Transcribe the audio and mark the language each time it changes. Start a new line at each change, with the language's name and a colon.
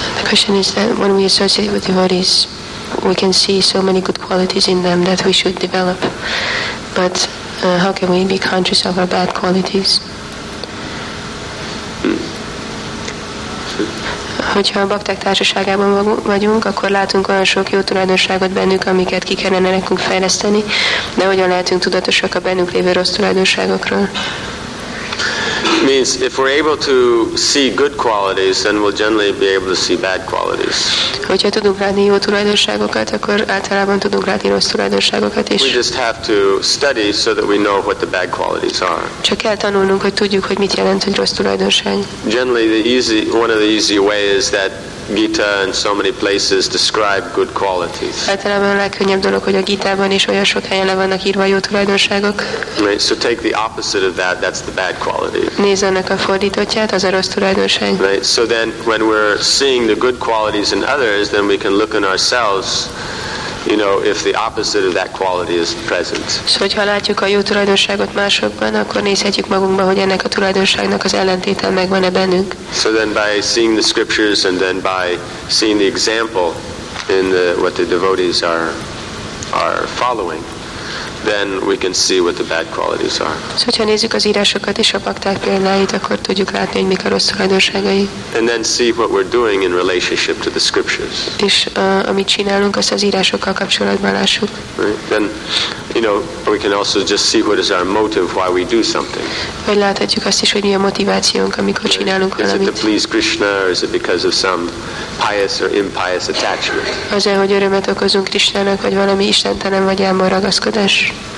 English: Question is that when we associate with devotees, we can see so many good qualities in them that we should develop. But how can we be conscious of our bad qualities?
Hungarian: Hogyha a bakták társaságában vagyunk, akkor látunk olyan sok jó tulajdonságot bennük, amiket ki kellene nekünk fejleszteni, de hogyan lehetünk tudatosak a bennünk lévő rossz tulajdonságokról?
English: Means if we're able to see good qualities, then we'll generally be able to see bad qualities.
Hungarian: Hogyha tudunk látni jó tulajdonságokat, akkor általában tudunk látni rossz tulajdonságokat is.
English: We just have to study so that we know what the bad qualities are.
Hungarian: Csak kell tanulnunk, hogy tudjuk, hogy mit jelent egy rossz tulajdonság.
English: Generally, one of the easy ways is that Gita and so many places describe good qualities.
Hungarian: Általában a legkönnyebb dolog, hogy a Gitában is olyan sok helyen le vannak írva jó tulajdonságok.
English: Right, so take the opposite of that, that's the bad quality.
Hungarian: Nézz ennek a fordítottját, az a rossz tulajdonság.
English: Right, so then when we're seeing the good qualities in others, then we can look in ourselves, you know, if the opposite of that quality is present.
Hungarian: So, hogyha látjuk a jó tulajdonságot másokban, akkor nézhetjük magunkba, hogy ennek a tulajdonságnak az ellentéte megvan-e bennünk.
English: So then by seeing the scriptures and then by seeing the example in what the devotees are following, then we can see what the bad qualities are.
Hungarian: So, hogyha nézzük az írásokat és a bakták példáit, akkor tudjuk látni, hogy mik a rossz tulajdonságai.
English: And then see what we're doing in relationship to the scriptures.
Hungarian: És amit csinálunk, azt az írásokkal kapcsolatban lássuk.
English: Right. Then, you know, we can also just see what is our motive why we do something.
Hungarian: Vagy láthatjuk azt is, hogy mi a motivációnk, amikor right. csinálunk is valamit.
English: Is it to please Krishna, or is it because of some pious or impious attachment?
Hungarian: Az-e, hogy örömet okozunk Krisnának, vagy valami istentelen vagy elmúlt ragaszkodás?